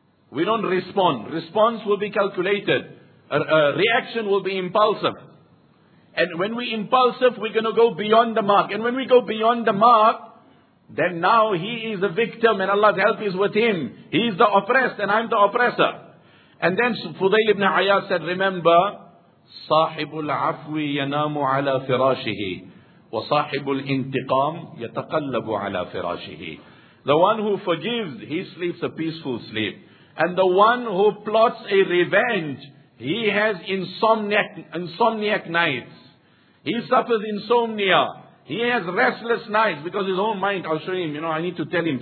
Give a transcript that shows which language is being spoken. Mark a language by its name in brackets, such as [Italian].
[English] We don't respond. Response will be calculated. Reaction will be impulsive. And when we're impulsive, we're going to go beyond the mark. And when we go beyond the mark, then now he is a victim and Allah's help is with him. He is the oppressed and I'm the oppressor. And then Fudayl ibn Ayyad said, remember, [Arabic] صَاحِبُ الْعَفْوِ يَنَامُ عَلَى فِرَاشِهِ وَصَاحِبُ الْإِنْتِقَامِ يَتَقَلَّبُ عَلَى فِرَاشِهِ. [English] The one who forgives, he sleeps a peaceful sleep. And the one who plots a revenge, he has insomniac nights. He suffers insomnia. He has restless nights because his own mind, I'll show him, you know, I need to tell him.